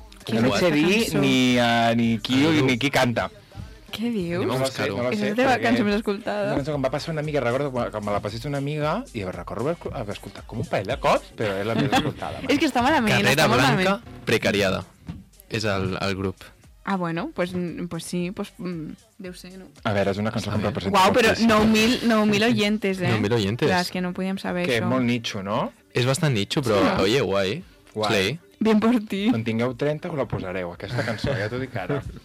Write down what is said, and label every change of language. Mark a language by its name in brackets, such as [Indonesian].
[Catalan] Que no sé dir ni qui canta. Què dius? Anem a buscar-ho. No sé, és la teva cançó més escoltada. Una cançó que em va passar una amiga, recordo que me la passés una amiga i recordo haver escoltat com un parell de cops, però és la més escoltada. És que està malament. Carrera Blanca Precariada és el grup. Ah, [Spanish] bueno, pues sí, pues [Catalan] deu ser, no? A veure, és una cançó que em representa. Uau, però 9.000 oyentes, eh? [Spanish] 9.000 oyentes. [Catalan] Clar, és que no podíem saber que això. Que és molt nicho, no? És bastant nicho, però, sí, [Spanish] oye, [Catalan] guai. Guai. Slay. [Spanish] Bien por ti. [Catalan] Quan tingueu 30 us la posareu, aquesta cançó, ja t'ho dic ara.